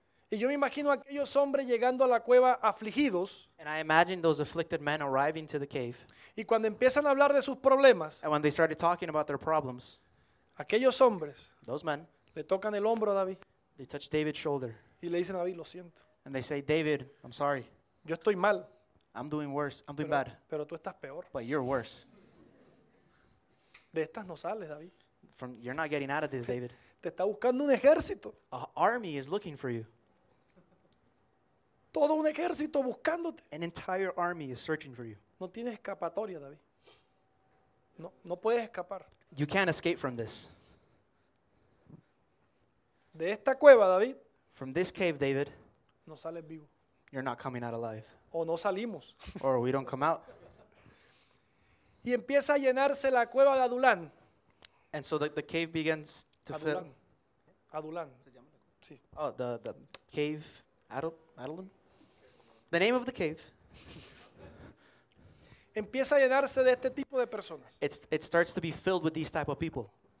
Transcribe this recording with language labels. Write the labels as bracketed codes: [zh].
[es] Y yo me imagino aquellos hombres llegando a la cueva afligidos. [en] And I imagine those afflicted men arriving to the cave. [es] Y cuando empiezan a hablar de sus problemas. [en] And when they started talking about their problems. [es] Aquellos hombres. [en] Those men. [es] Le tocan el hombro a David. [en] They touch David's shoulder. [es] Y le dicen a David, lo siento. [en] And they say, David, I'm sorry. [es] Yo estoy mal. [en] I'm doing worse. I'm doing [es] pero, [en] bad. [es] Pero tú estás peor. [en] But you're worse. [es] De estas no sales, David. [en] You're not getting out of this, David. [es] Te está buscando un ejército. [en] An army is looking for you. [es] Todo un ejército buscándote. [en] An entire army is searching for you. [es] No tienes escapatoria, David. No puedes escapar. [en] You can't escape from this. [es] De esta cueva, David. [en] From this cave, David. [es] No sales vivo. [en] You're not coming out alive. [es] O no salimos. [en] Or we don't come out. [es] Y empieza a llenarse la cueva de Adulán. [en] And so the cave begins to [es] Adulán. [en] Fill. [es] Adulán. Sí. [en] Oh, the cave. Adulán. The name of the cave. [es] Empieza a llenarse de este tipo de personas. [en] It starts to be filled with these type of people.